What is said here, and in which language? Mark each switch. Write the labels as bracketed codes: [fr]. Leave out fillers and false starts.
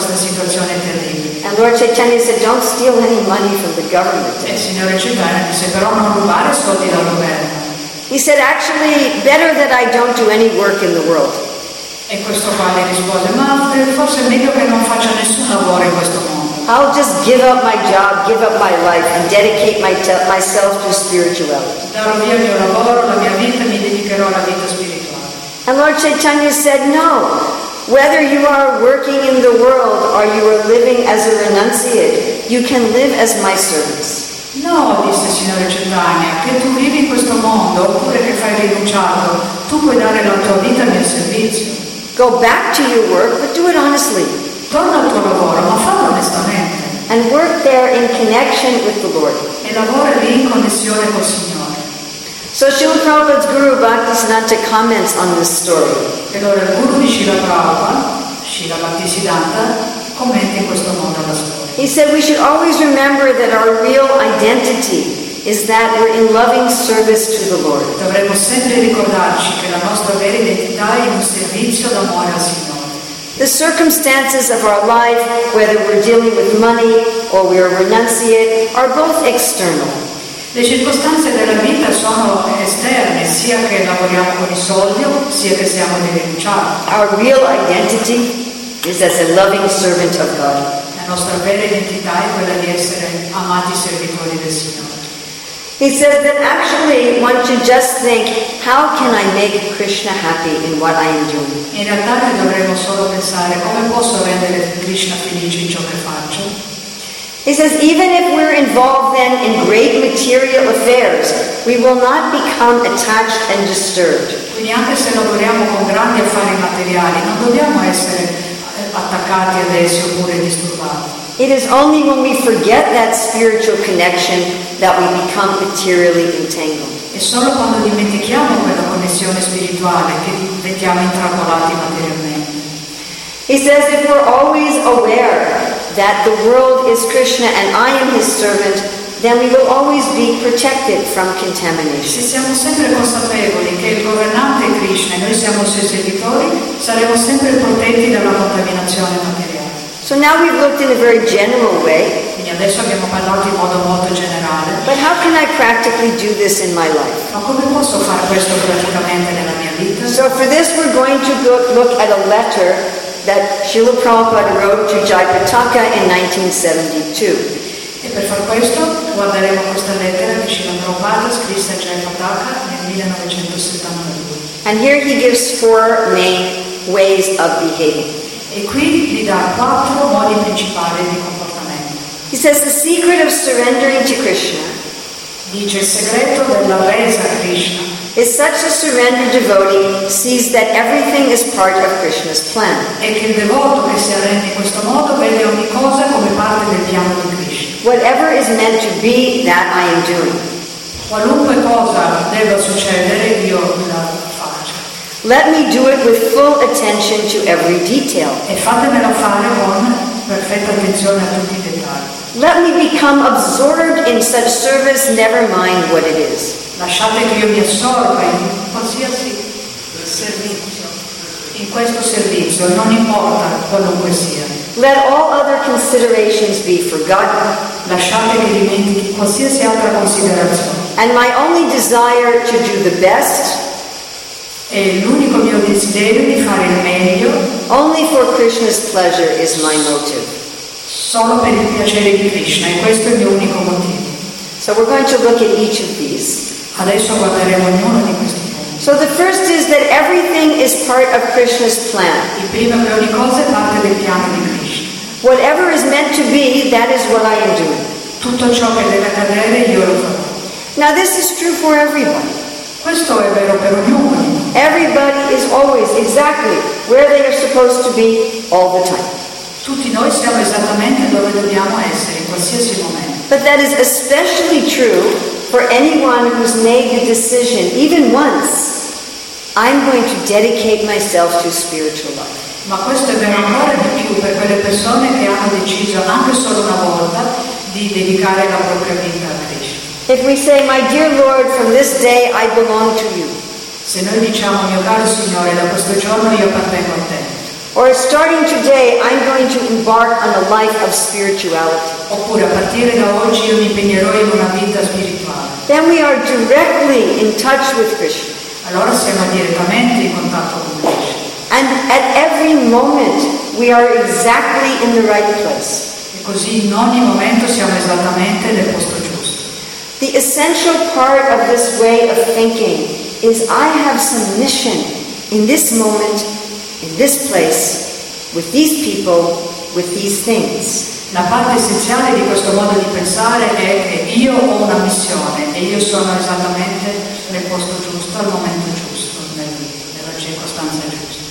[en] And Lord Chaitanya said, don't steal any money from the government. He said, actually, better that I don't do any work in the world. [it] E questo padre rispose, ma forse è meglio che non faccia nessun lavoro in questo mondo. [en] I'll just give up my job, give up my life, and dedicate myself to spirituality. [it] Darò via il mio lavoro, la mia vita, mi dedicherò alla vita spirituale. [en] And Lord Chaitanya said, no, whether you are working in the world or you are living as a renunciate, you can live as my servants. [it] No, disse il signore Chaitanya, che tu vivi in questo mondo oppure che fai rinunciato, tu puoi dare la tua vita nel servizio. [en] Go back to your work, but do it honestly. [it] Torna al tuo lavoro, ma fallo onestamente. [en] And work there in connection with the Lord. [it] E lavora lì in connessione col Signore. [en] So Srila Prabhupada's Guru Bhaktisiddhanta comments on this story. [it] E allora il Guru di Srila Prabhupada, Srila Bhaktisiddhanta, commenta in questo modo la storia. [en] He said we should always remember that our real identity is that we're in loving service to the Lord. [it] Dovremmo sempre ricordarci che la nostra vera identità è un servizio d'amore al Signore. [en] The circumstances of our life, whether we're dealing with money or we are renunciate, are both external. [it] Le circostanze della vita sono esterne, sia che lavoriamo con i soldi, sia che siamo dei rinunciati. [en] Our real identity is as a loving servant of God. [it] La nostra vera identità è quella di essere amati servitori del Signore. [en] He says that actually one should just think, how can I make Krishna happy in what I am doing? [it] In realtà noi dovremmo solo pensare, come posso rendere Krishna felice in ciò che faccio? [en] He says, even if we're involved then in great material affairs, we will not become attached and disturbed. [it] Quindi anche se lavoriamo con grandi affari materiali, non dobbiamo essere attaccati ad essi oppure disturbati. [en] It is only when we forget that spiritual connection that we become materially entangled. [it] È solo quando dimentichiamo quella connessione spirituale che diventiamo intrappolati materialmente. [en] He says, if we're always aware that the world is Krishna and I am his servant, then we will always be protected from contamination. [it] Se siamo sempre consapevoli che il governante è Krishna e noi siamo suoi servitori, saremo sempre protetti dalla contaminazione materiale. [en] So now we've looked in a very general way. [it] Quindi adesso abbiamo parlato in modo molto generale. [en] But how can I practically do this in my life? [it] Ma come posso fare questo praticamente nella mia vita? [en] So for this we're going to look at a letter that Srila Prabhupada wrote to Jayapataka in 1972. [it] E per far questo guarderemo questa lettera che Srila Prabhupada scrisse a Jayapataka nel 1972. [en] And here he gives four main ways of behaving. [it] E qui gli dà quattro modi principali di comportamento. [en] He says the secret of surrendering to Krishna. [it] Dice il segreto della resa a Krishna. [en] Is such a surrendered devotee sees that everything is part of Krishna's plan. [it] E che il devoto che si arrende in questo modo vede ogni cosa come parte del piano di Krishna. [en] Whatever is meant to be, that I am doing. [it] Qualunque cosa debba succedere, io la faccio. [en] Let me do it with full attention to every detail. [it] E fatemelo fare con perfetta attenzione a tutti i dettagli. [en] Let me become absorbed in such service, never mind what it is. [it] Lasciate che io mi assorba in qualsiasi servizio. in questo servizio, non importa qualunque sia. [en] Let all other considerations be forgotten. [it] Lasciate che dimentichi qualsiasi altra considerazione. [en] And my only desire to do the best. [it] E l'unico mio desiderio di fare il meglio. [en] Only for Krishna's pleasure is my motive. [it] Solo per il piacere di Krishna, e questo è il mio unico motivo. [en] So we're going to look at each of these. [it] Adesso guarderemo ognuno di questi. [en] So the first is that everything is part of Krishna's plan. [it] Il primo è che ogni cosa è parte del piano di Krishna. [en] Whatever is meant to be, that is what I am doing. [it] Tutto ciò che deve accadere, io lo farò. [en] Now this is true for everyone. [it] Questo è vero per ognuno. [en] Everybody is always exactly where they are supposed to be all the time. [it] Tutti noi siamo esattamente dove dobbiamo essere in qualsiasi momento. [en] But that is especially true for anyone who's made the decision, even once, I'm going to dedicate myself to spiritual life. [it] Ma questo è vero ancora di più per quelle persone che hanno deciso anche solo una volta di dedicare la propria vita a Krishna. [en] If we say, my dear Lord, from this day I belong to you. [it] Se noi diciamo, mio caro Signore, da questo giorno io appartengo a te. [en] Or starting today, I'm going to embark on a life of spirituality. [it] Oppure a partire da oggi io mi impegnerò in una vita spirituale. [en] Then we are directly in touch with Krishna. [it] Allora siamo direttamente in contatto con Krishna. [en] And at every moment we are exactly in the right place. [it] E così in ogni momento siamo esattamente nel posto giusto. [en] The essential part of this way of thinking is I have some mission in this moment. In this place, with these people, with these things. [it] La parte essenziale di questo modo di pensare è che io ho una missione e io sono esattamente nel posto giusto, al momento giusto, nella circostanza giusta.